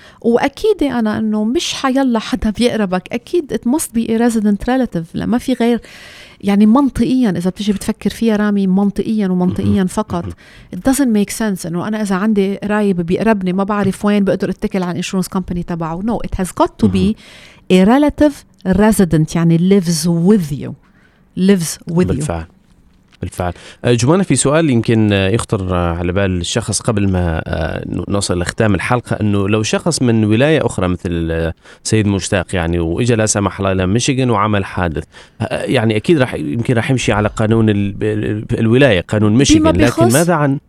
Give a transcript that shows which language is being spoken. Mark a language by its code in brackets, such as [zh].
[ar] وأكيد أنا أنه مش حيلا حدا بيقربك، أكيد [en] it must be a resident relative، [ar] ما في غير يعني منطقيا إذا بتجي بتفكر فيها رامي، منطقيا ومنطقيا فقط [en] it doesn't make sense [ar] أنه أنا إذا عندي رايب بيقربني ما بعرف وين بقدر اتكل على الانشورنس كومباني تبعه. [en] No, it has got to be a relative resident، يعني lives with you [ar] بالفعل. بالفعل. جمانة، في سؤال يمكن يخطر على بال الشخص قبل ما نوصل لختام الحلقة، أنه لو شخص من ولاية أخرى مثل سيد مشتاق يعني وإجا لا سمح الله إلى ميشيغان وعمل حادث، يعني أكيد راح يمكن راح يمشي على قانون الولاية قانون ميشيغان، لكن ماذا عن